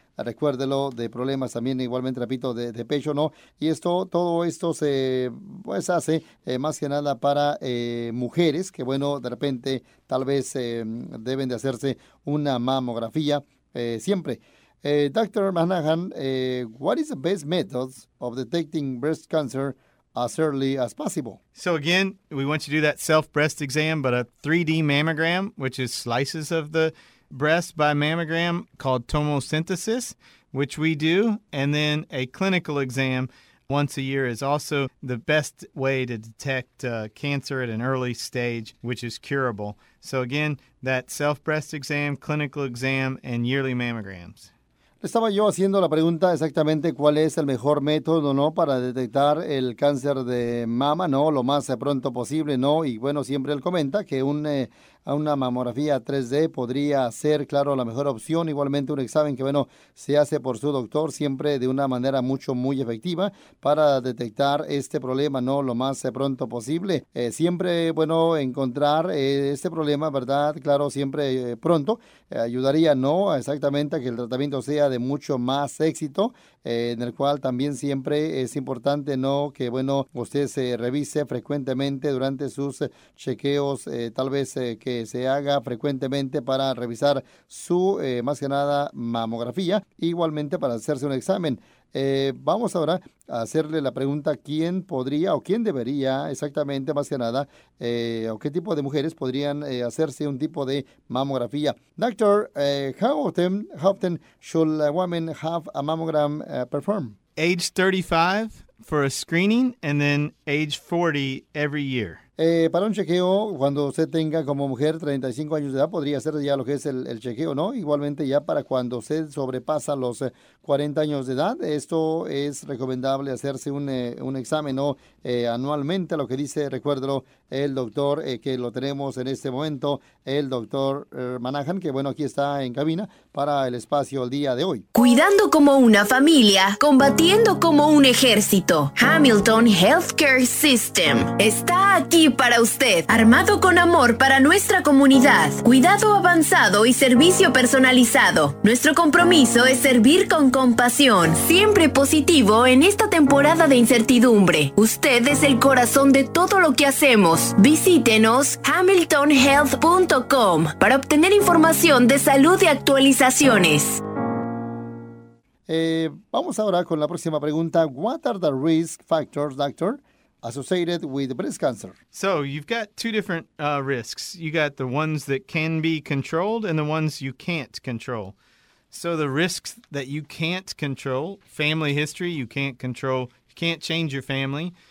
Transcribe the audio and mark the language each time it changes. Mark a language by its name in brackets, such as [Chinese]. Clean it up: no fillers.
[Spanish] Recuérdelo, de problemas también, igualmente repito, de pecho, ¿no? Y esto, todo esto se pues hace más que nada para mujeres que, bueno, de repente tal vez deben de hacerse una mamografía siempre. [English] Dr. Manahan, what is the best method of detecting breast cancer as early as possible? So again, we want you to do that self-breast exam, but a 3D mammogram, which is slices of the breast by mammogram called tomosynthesis, which we do, and then a clinical exam once a year is also the best way to detect cancer at an early stage, which is curable. So again, that self-breast exam, clinical exam, and yearly mammograms. [Spanish] Estaba yo haciendo la pregunta exactamente cuál es el mejor método, ¿no?, para detectar el cáncer de mama, ¿no?, lo más pronto posible, ¿no? Y bueno, siempre él comenta que una mamografía 3D podría ser, claro, la mejor opción. Igualmente un examen que, bueno, se hace por su doctor siempre de una manera mucho, muy efectiva para detectar este problema, ¿no?, lo más pronto posible. Siempre, bueno, encontrar este problema, ¿verdad?, claro, siempre pronto ayudaría, ¿no?, exactamente a que el tratamiento sea de mucho más éxito, en el cual también siempre es importante, ¿no?, que, bueno, usted se revise frecuentemente durante sus chequeos, tal vez que se haga frecuentemente para revisar su, más que nada, mamografía, igualmente para hacerse un examen. Vamos ahora a hacerle la pregunta, ¿quién podría o quién debería exactamente, más que nada, o qué tipo de mujeres podrían hacerse un tipo de mamografía? [English] Doctor, how often should a woman have a mammogram performed? Age 35 for a screening and then age 40 every year. [Spanish] Para un chequeo, cuando usted tenga como mujer 35 años de edad, podría hacer ya lo que es el chequeo, ¿no? Igualmente ya para cuando usted sobrepasa los 40 años de edad, esto es recomendable hacerse un examen, ¿no? Anualmente, lo que dice, recuérdelo, el doctor que lo tenemos en este momento, el doctor Manahan, que bueno, aquí está en cabina para el espacio el día de hoy. Cuidando como una familia, combatiendo como un ejército, Hamilton Healthcare System está aquí. Y para usted, armado con amor para nuestra comunidad, cuidado avanzado y servicio personalizado. Nuestro compromiso es servir con compasión, siempre positivo en esta temporada de incertidumbre. Usted es el corazón de todo lo que hacemos. Visítenos hamiltonhealth.com para obtener información de salud y actualizaciones. Vamos ahora con la próxima pregunta. [English] What are the risk factors, doctor, associated with breast cancer? So you've got two different risks. You got the ones that can be controlled and the ones you can't control. So the risks that you can't control, family history, you can't control, you can't change your family.